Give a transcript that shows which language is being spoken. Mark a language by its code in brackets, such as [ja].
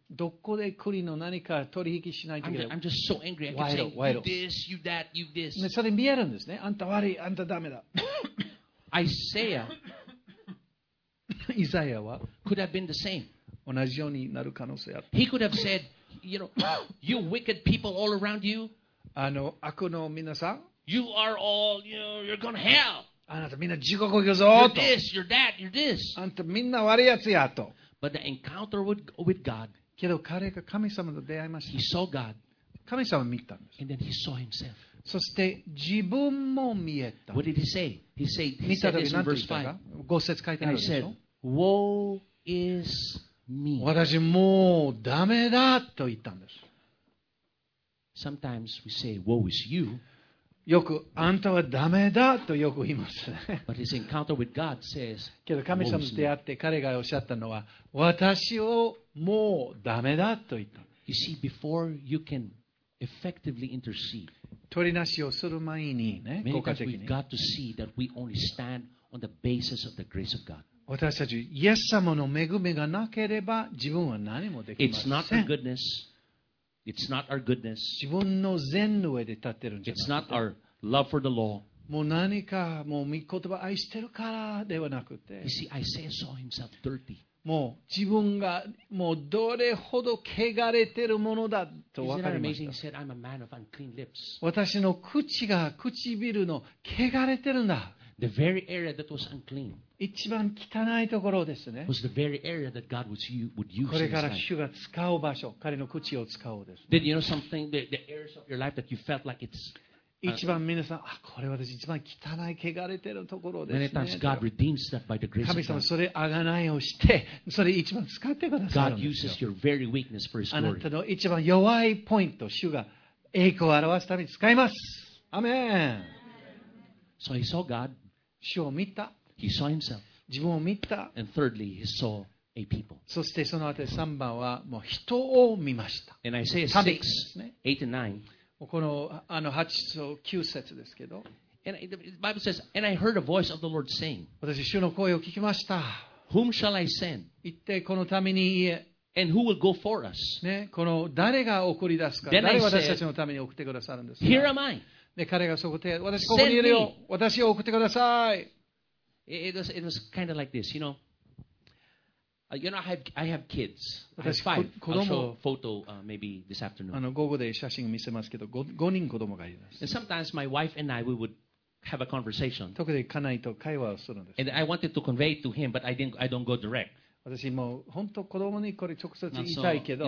[ja] どこで国の何か取引しないといけない。 [en] I'm just so angry. I can say, you this, you that, you this. [ja] ね、それ見えるんですね。あんた悪い、あんたダメだ。 [en] Isaiah, [ja] Isaiah は [en] could have been the same. [ja] 同じようになる可能性ある。 [en] He could have said,You know, you wicked people all around you. [ja] あの皆さん [en] You are all, you know, you're going to hell. [ja] あなたみんな地獄行くぞ [en] と。You're this, you're that, you're this. [ja] あんたみんな悪いやつやと。 [en] But the encounter with God. [ja] けど彼が神様と出会いました。 [en] He saw God. [ja] 神様見たんです。 [en] And then he saw himself. [ja] そして自分も見えた。 [en] What did he say? He said, he said this in verse 5. [ja] 五節書いてあるでしょ。 [en] I said, woe is... Me. [ja] 私もうダメだと言ったんです。 [en] Sometimes we say, "Woe is you." [ja] よくあんたはダメだとよく言いますね。 [en] But his encounter with God says, [ja] けど神様と出会って彼がおっしゃったのは、私をもうダメだと言った。 [en] You see, before you can effectively intercede, [ja] 取りなしをする前にね、効果的に。 [en] Many times we've got to see that we only stand on the basis of the grace of God. [ja] 私たち、イエス様の恵みがなければ自分は何もできません。 [en] It's not our goodness. It's not our goodness. [ja] 自分の善の上で立ってるんじゃない。 [en] It's not our love for the law. [ja] もう何か、もう御言葉愛してるからではなくて。 [en] You see, Isaiah saw himself dirty. [ja] もう自分がもうどれほど汚れてるものだと分かりました。 [en] Isn't that amazing? He said, I'm a man of unclean lips. [ja] 私の口が唇の汚れてるんだ。 [en] The very area that was unclean. [ja] 一番汚いところですね。 [en] Was the very area that God would use. [ja] これから主が使う場所、彼の口を使うです、 [en] ね。Did you know something? The areas of your life that you felt like it's [ja] 一番皆さん、あ、これは私一番汚い汚れてるところですね。 [en] Many times God redeems that by the grace of God. [ja] 神様それ贖いをして、それ一番使ってくださる。 [en] God uses your very weakness for His glory. [ja] あなたの一番弱いポイント、主が栄光を表すために使います。アメン。 [en] So he saw God. [ja] 主を見た。 [en] He saw himself. [ja] 自分を見た。 [en] And thirdly, he saw a people. [ja] そしてその後3番はもう人を見ました。 [en] And Isaiah 6, 8 and 9. [ja] この8と9節ですけど。 [en] And the Bible says, And I heard a voice of the Lord saying, [ja] 私、主の声を聞きました。 [en] Whom shall I send? [ja] 言ってこの民に言え。 [en] And who will go for us? [ja] ね、この誰が送り出すか、 [en] Then、 [ja] 誰私たちのために送ってくださるんですか。 [en] Here am I. [ja] で、彼がそこで、私ここにいるよ。私を送ってください。 [en] It was kind of like this, you know. I have kids. I have five. I'll show a photo maybe this afternoon. [ja] あの午後で写真を見せますけど、五人子供がいます。 [en] And sometimes my wife and I we would have a conversation. [ja] 特に家内と会話をするんです。 [en] And I wanted to convey to him, but I don't go direct. [ja] 私も本当子供にこれ直接言いたいけど、